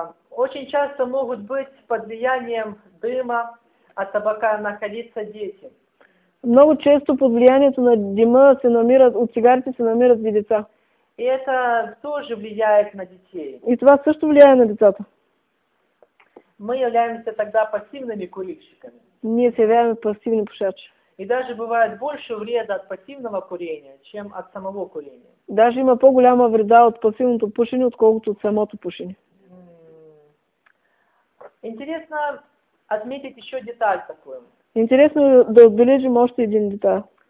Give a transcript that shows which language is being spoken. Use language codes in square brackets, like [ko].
[ru] Очень часто могут быть под влиянием дыма от табака находиться дети. [bg] Много часто под влиянием на дыма се намират, от цигарки се намират и деца. [ru] И это тоже влияет на детей. [bg] И това също влияет на децата. [ru] Мы являемся тогда пассивными курильщиками. [bg] Ние се являемся пассивными пушачи. [ru] И даже бывает больше вреда от пассивного курения, чем от самого курения. [bg] Даже има по-голяма вреда от пассивното пушение, отколкото от самото пушение. [ru] Интересно отметить еще деталь такую. [bg] Интересно да отбележим още един деталь.